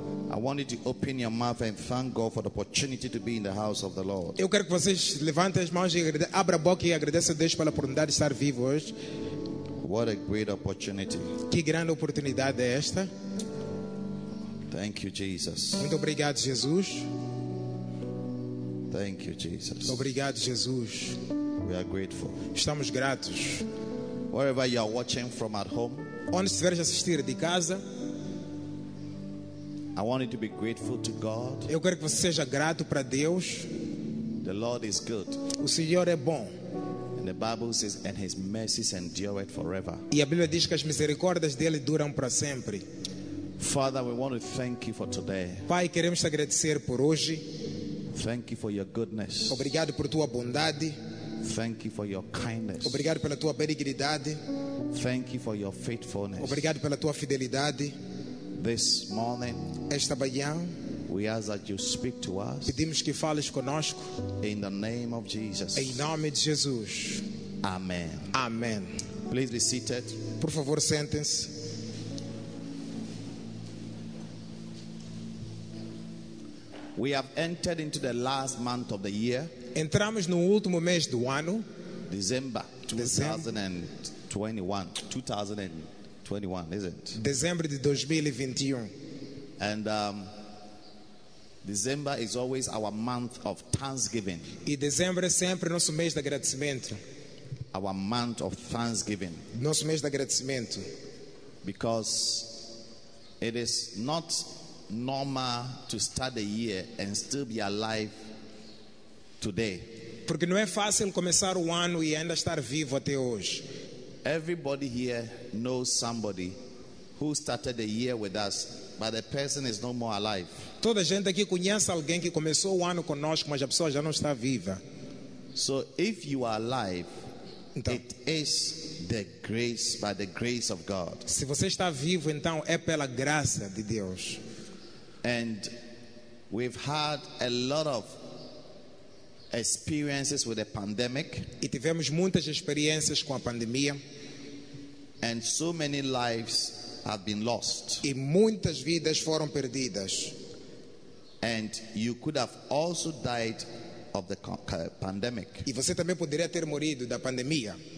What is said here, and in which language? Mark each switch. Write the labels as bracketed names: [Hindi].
[English] I want you to open your mouth and thank God for the opportunity to be in the house of the Lord. [Portuguese] Eu quero que vocês levantem as mãos e abra a boca e agradeça a Deus pela oportunidade de estar vivo hoje. [English] What a great opportunity. [Portuguese] Que grande oportunidade é esta? [English] Thank you, Jesus. [Portuguese] Muito obrigado, Jesus. [English] Thank you, Jesus. [Portuguese] Obrigado, Jesus. [English] We are grateful. [Portuguese] Estamos gratos. [English] Wherever you are watching from at home. [Portuguese] Onde estiveres a assistir de casa, [English] I want you to be grateful to God. [Portuguese] Eu quero que você seja grato para Deus. [English] The Lord is good. [Portuguese] O Senhor é bom. [English] And the Bible says, and His mercies endure forever. [Portuguese] E a Bíblia diz que as misericórdias dele duram para sempre. [English] Father, we want to thank you for today. [Portuguese] Pai, queremos te agradecer por hoje. [English] Thank you for your goodness. [Portuguese] Obrigado por tua bondade. [English] Thank you for your kindness. [Portuguese] Obrigado pela tua benignidade. [English] Thank you for your faithfulness. [Portuguese] Obrigado pela tua fidelidade. [English] This morning, [Portuguese] esta manhã, [English] we ask that you speak to us. [Portuguese] Pedimos que fales conosco. [English] In the name of Jesus. [Portuguese] Em nome de Jesus. [English] Amen. [Portuguese] Amen. [English] Please be seated. [Portuguese] Por favor, sentem-se. [English] We have entered into the last month of the year. [Portuguese] Entramos no último mês do ano, Dezembro de 2021. [English] And December is always our month of thanksgiving. [Portuguese] E dezembro é sempre nosso mês de agradecimento. [English] Our month of thanksgiving. [Portuguese] Nosso mês de agradecimento. [English] Because it is not normal to start the year and still be alive today. [Portuguese] Porque não é fácil começar o ano e ainda estar vivo até hoje. [English] Everybody here knows somebody who started the year with us, but the person is no more alive. [Portuguese] Toda a gente aqui conhece alguém que começou o ano conosco, mas a pessoa já não está viva. [English] So if you are alive, [Portuguese] então, [English] it is the grace, by the grace of God. [Portuguese] Se você está vivo, então é pela graça de Deus. [English] And we've had a lot of experiences with the pandemic. [Portuguese] E tivemos muitas experiências com a pandemia. [English] And so many lives have been lost. [Portuguese] E muitas vidas foram perdidas. [English] And you could have also died of the pandemic. [Portuguese] E você também poderia ter morrido da pandemia.